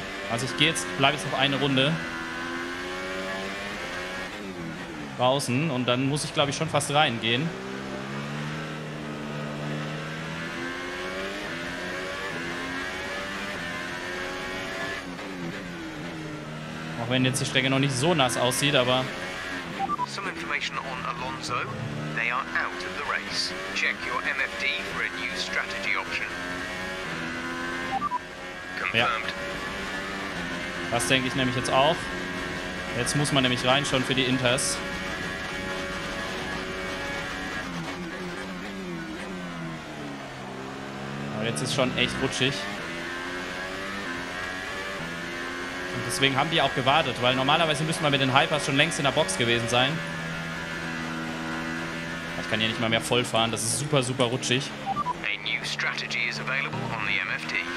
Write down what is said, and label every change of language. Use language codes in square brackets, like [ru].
[de] Also ich gehe jetzt, bleibe jetzt noch eine Runde draußen und dann muss ich, glaube ich, schon fast reingehen. Auch wenn jetzt die Strecke noch nicht so nass aussieht, aber... [en] Some information on Alonso. They are out of the race. Check your MFD for a new strategy option. Confirmed. [de] Ja. Das denke ich nämlich jetzt auch. Jetzt muss man nämlich rein schon für die Inters. Aber jetzt ist schon echt rutschig. Deswegen haben die auch gewartet, weil normalerweise müssten wir mit den Hypers schon längst in der Box gewesen sein. Ich kann hier nicht mal mehr vollfahren, das ist super, super rutschig. [en] A new strategy is available on the MFT.